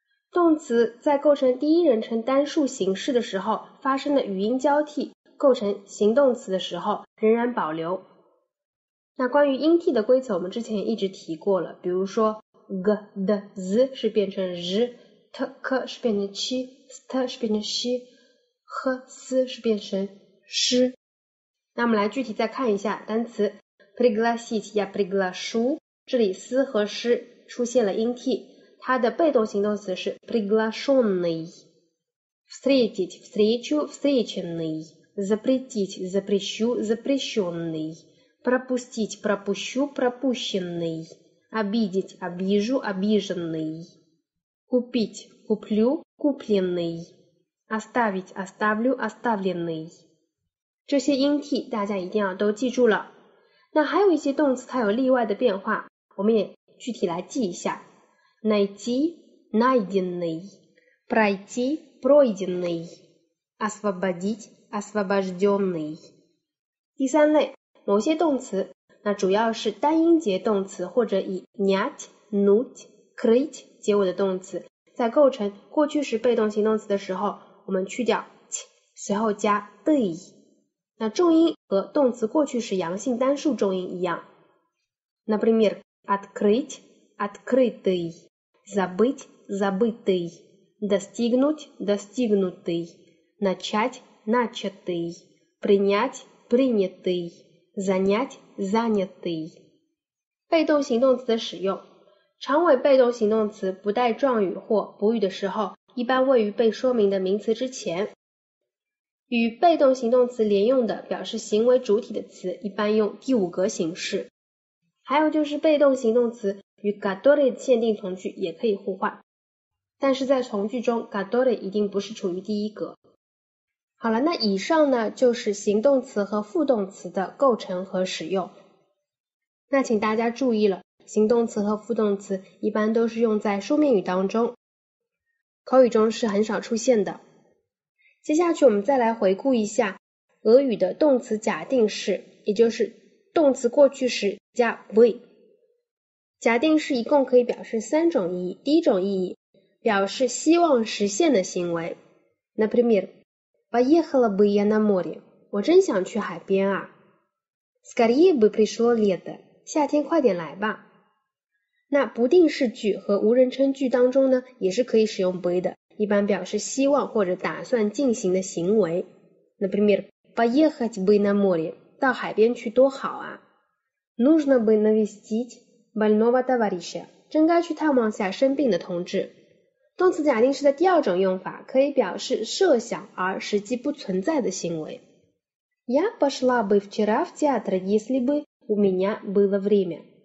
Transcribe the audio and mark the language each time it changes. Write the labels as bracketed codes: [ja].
[zh] 动词在构成第一人称单数形式的时候发生的语音交替，构成形动词的时候仍然保留。那关于音替的规则我们之前也一直提过了，比如说 g d z 是变成 z， t k 是变成 qi， st 是变成 xi， h s 是变成 sh。那我们来具体再看一下单词 [ru] pregласить я приглашу， [zh] 这里 s 和 sh 出现了音替，它的被动形动词是 [ru] приглашенный， встретить встречу встреченный，запретить запрещу запрещенный, пропустить пропущу пропущенный, обидеть обижу обиженный, купить куплю купленный, оставить оставлю оставленный. [zh] 这些音替大家一定要都记住了。那还有一些动词它有例外的变化，我们也具体来记一下。 [ru] найти найденный, пройти пройденный, освободить освобожденный. [zh] 第三类，某些动词，那主要是单音节动词或者以 нять、нуть、крыть 结尾的动词，在构成过去时被动形动词的时候，我们去掉 ть， 随后加 дый， 那重音和动词过去时阳性单数重音一样。 [ru] например открыть открытый, забыть забытый, достигнуть достигнутый, начать начатый, принять принятый, занять занятый. [zh] 被动形动词的使用，长尾被动形动词不带状语或补语的时候，一般位于被说明的名词之前。与被动形动词连用的表示行为主体的词，一般用第五格形式。还有就是被动形动词与 который 限定从句也可以互换，但是在从句中 который 一定不是处于第一格。好了，那以上呢就是形动词和副动词的构成和使用。那请大家注意了，形动词和副动词一般都是用在书面语当中，口语中是很少出现的。接下去我们再来回顾一下俄语的动词假定式，也就是动词过去时加 v。假定式一共可以表示三种意义。第一种意义，表示希望实现的行为。 [ru] Например,Поехала бы я на море. [zh] 我真想去海边啊。 [ru] Скорее бы пришло лето. [zh] 夏天快点来吧。那不定式句和无人称句当中呢，也是可以使用 бы 的，一般表示希望或者打算进行的行为。 [ru] Например, поехать бы на море. [zh] 到海边去多好啊。 [ru] Нужно бы навестить больного товарища. [zh] 真该去探望下生病的同志。动词假定式的第二种用法可以表示设想而实际不存在的行为。 [ru] Я пошла бы вчера в театр, если бы у меня было время.